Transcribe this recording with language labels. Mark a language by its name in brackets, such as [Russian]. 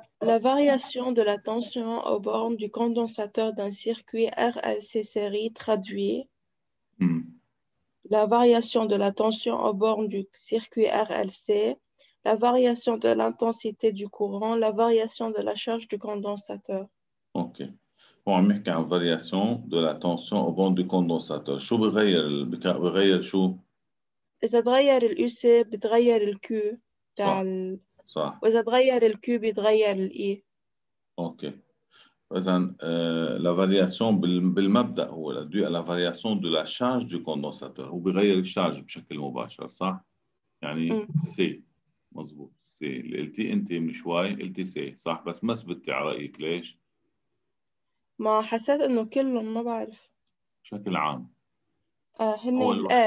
[French] la variation de la tension aux bornes du condensateur d'un circuit RLC série traduit la variation de la tension aux bornes du circuit RLC la variation de l'intensité du courant la variation de la charge du condensateur [Arabic] اوكي هو عم يحكي عن [French] variation de la tension au bond du condensateur. [Arabic] شو بغير بغير شو؟ إذا تغير ال UC بتغير ال Q تاع ال صح صح وإذا تغير ال Q بتغير ال E. اوكي. فإذا [French] la variation [Arabic] بالمبدأ هو [French] due à la variation de la charge du condensateur. [Arabic] هو بغير الشارج بشكل مباشر صح؟ يعني C مضبوط C اللي قلتي أنت من شوي قلتي C صح بس ما ثبتتي على رأيك ليش؟ ما حسيت انه كلهم ما بعرف بشكل عام هم هو الآه